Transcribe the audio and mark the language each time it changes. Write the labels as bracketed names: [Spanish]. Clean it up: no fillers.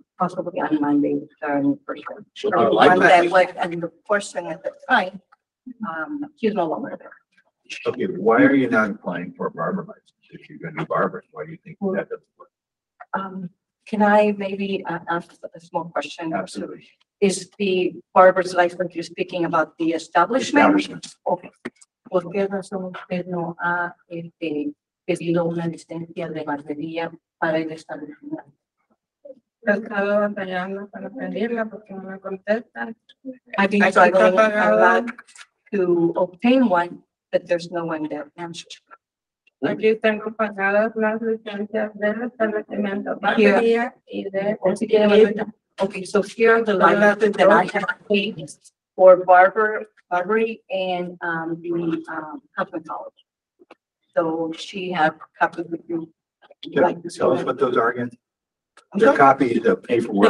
[English] Possibly on Monday, for sure. And the person at the time, he's no longer there. Okay, why are you not applying for a barber license if you're gonna be barbers? Why do you think that doesn't work? Can I maybe ask a small question? Absolutely. Is the barber's license, you're speaking about the establishment? Okay. [Spanish] Porque razón usted no ha pedido una licencia de barbería para el establecimiento? He estado batallando para pedirla porque no me contestan. [English] I've been struggling a lot to obtain one, but there's no one that answers. [Spanish] Aquí tengo pagadas las licencias del establecimiento barbería y de. [English] Okay, so here are the licenses that I have paid for barbery and cosmetology. So she have copies with you. Tell us what those are again. The copy, the paperwork.